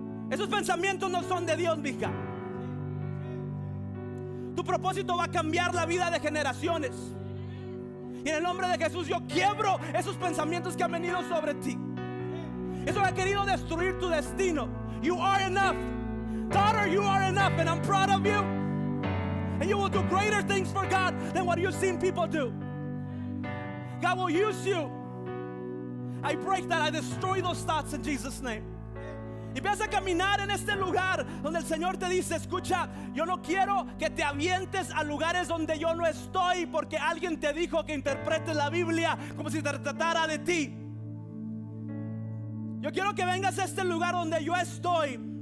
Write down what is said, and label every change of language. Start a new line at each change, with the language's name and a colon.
Spanish: Esos pensamientos no son de Dios, mija. Tu propósito va a cambiar la vida de generaciones. Y en el nombre de Jesús yo quiebro esos pensamientos que han venido sobre ti. Eso ha querido destruir tu destino.
English: You are enough. Daughter, you are enough and I'm proud of you. And you will do greater things for God than what you've seen people do. God will use you. I break that, I destroy those thoughts in Jesus' name.
Spanish: Y vas a caminar en este lugar donde el Señor te dice: escucha, yo no quiero que te avientes a lugares donde yo no estoy, porque alguien te dijo que interpretes la Biblia como si se tratara de ti. Yo quiero que vengas a este lugar donde yo estoy.